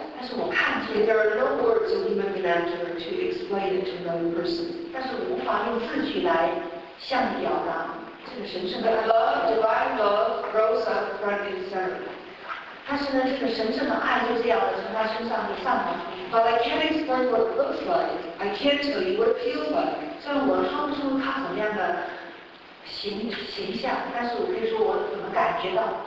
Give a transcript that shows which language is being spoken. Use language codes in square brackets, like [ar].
[zh] 但是我看见。 [en] There are no words in human vernacular to explain it to another person. [zh] 但是我无法用字句来向你表达这个神圣的爱。 [en] But love, divine love, rose up front and center. [zh] 但是呢，这个神圣的爱就这样的从他身上就散发出来。 [en] But I can't explain what it looks like. I can't tell you what it feels like. [zh] 所以我说不出他怎么样的形象，但是我可以说我怎么感觉到。